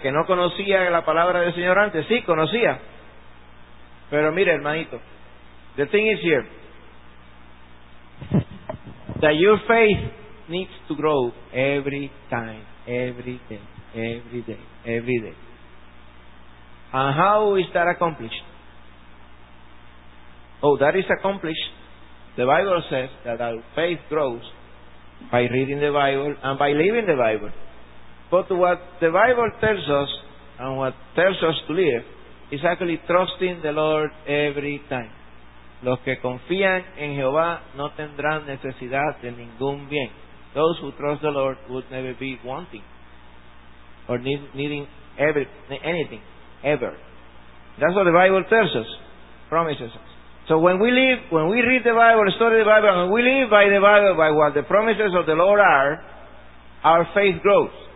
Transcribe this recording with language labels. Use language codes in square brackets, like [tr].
[es] ¿Que no conocía la palabra del Señor antes? Sí, conocía. Pero mire, hermanito, [en] the thing is here, that your faith needs to grow every time, every day, every day, every day. And how is that accomplished? Oh, that is accomplished. The Bible says that our faith grows by reading the Bible and by living the Bible. But what the Bible tells us, and what tells us to live, is actually trusting the Lord every time. [es] Los que confían en Jehová no tendrán necesidad de ningún bien. [en] those who trust the Lord would never be wanting or needing anything ever. That's what the Bible tells us, promises us. So when we read the Bible, study the Bible, and we live by the Bible, by what the promises of the Lord are, our faith grows.